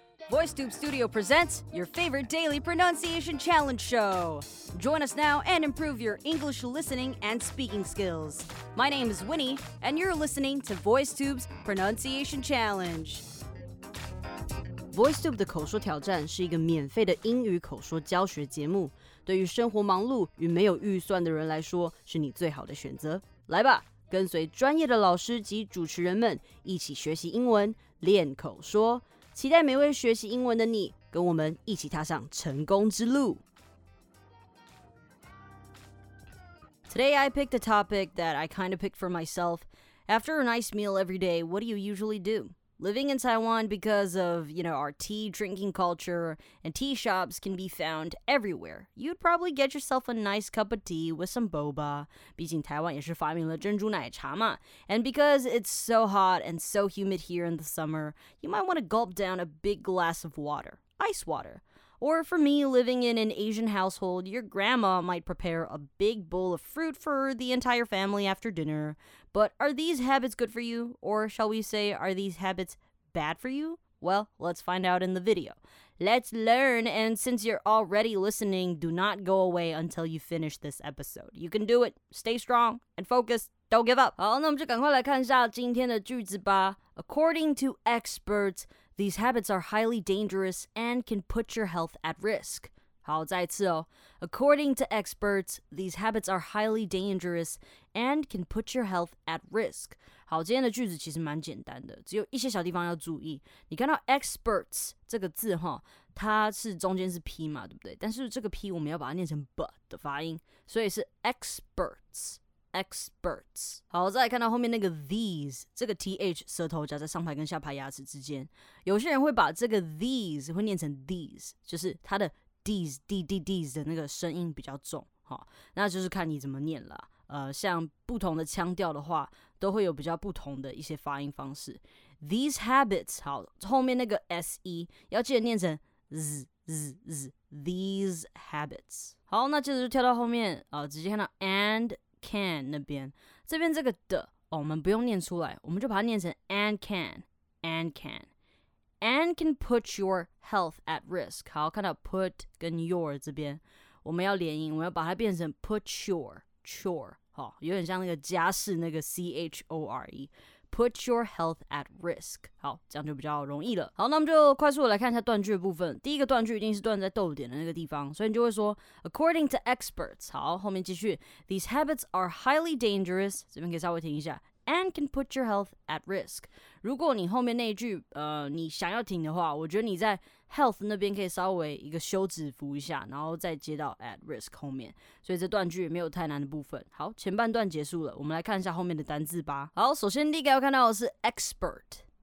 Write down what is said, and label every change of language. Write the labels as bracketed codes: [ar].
[en] VoiceTube Studio presents your favorite daily pronunciation challenge show. Join us now and improve your English listening and speaking skills. My name is Winnie, and you're listening to VoiceTube's Pronunciation Challenge. [zh] VoiceTube 的口说挑战是一个免费的英语口说教学节目，对于生活忙碌与没有预算的人来说，是你最好的选择。来吧，跟随专业的老师及主持人们一起学习英文，练口说。期待每位学习英文的你，跟我们一起踏上成功之路。 [en] Today I picked a topic that I kind of picked for myself. After a nice meal every day, what do you usually do? Living in Taiwan because of, you know, our tea drinking culture and tea shops can be found everywhere. You'd probably get yourself a nice cup of tea with some boba. [zh] 毕竟台湾也是发明了珍珠奶茶嘛。 [en] And because it's so hot and so humid here in the summer, you might want to gulp down a big glass of water, ice water. Or for me, living in an Asian household, your grandma might prepare a big bowl of fruit for the entire family after dinner. But are these habits good for you? Or shall we say, are these habits bad for you? Well, let's find out in the video. Let's learn, and since you're already listening, do not go away until you finish this episode. You can do it. Stay strong and focus. Don't give up. [zh] 好，那我们就赶快来看一下今天的句子吧。 [en] According to experts,These habits are highly dangerous and can put your health at risk. [zh] 好，再次哦。 [en] According to experts, these habits are highly dangerous and can put your health at risk. [zh] 好，今天的句子其实蛮简单的，只有一些小地方要注意。你看到 experts 这个字哈，它是中间是 p 嘛，对不对？但是这个 p 我们要把它念成 b 的发音，所以是 experts. [en] Experts. [zh] 好，再来看到后面那个 these， 这个 th 舌头夹在上排跟下排牙齿之间。有些人会把这个 these 会念成 these， 就是它的 these d d these 的那个声音比较重。好，那就是看你怎么念了。像不同的腔调的话，都会有比较不同的一些发音方式。 [en] These habits， [zh] 好，后面那个 s e 要记得念成 z z z。 [en] These habits。 [zh] 好，那接着就跳到后面，直接看到 and。Can 那边，这边这个的哦，我们不用念出来，我们就把它念成 [en] and can put your health at risk。 [zh] 好，看到 put 跟 your 这边，我们要连音，我们要把它变成 put your， 好，有点像那个加式那个 chore， [en] put your health at risk。 [zh] 好，这样就比较容易了。好，那我们就快速来看一下断句的部分。第一个断句一定是断在逗点的那个地方，所以你就会说 [en] according to experts。 [zh] 好，后面继续 [en] these habits are highly dangerous。 [zh] 这边可以稍微停一下 [en] and can put your health at risk。 [zh] 如果你后面那一句你想要停的话，我觉得你在 health 那边可以稍微一个休止符一下，然后再接到 [en] at risk [zh] 后面，所以这断句也没有太难的部分。好，前半段结束了，我们来看一下后面的单字吧。好，首先第一个要看到的是 expert。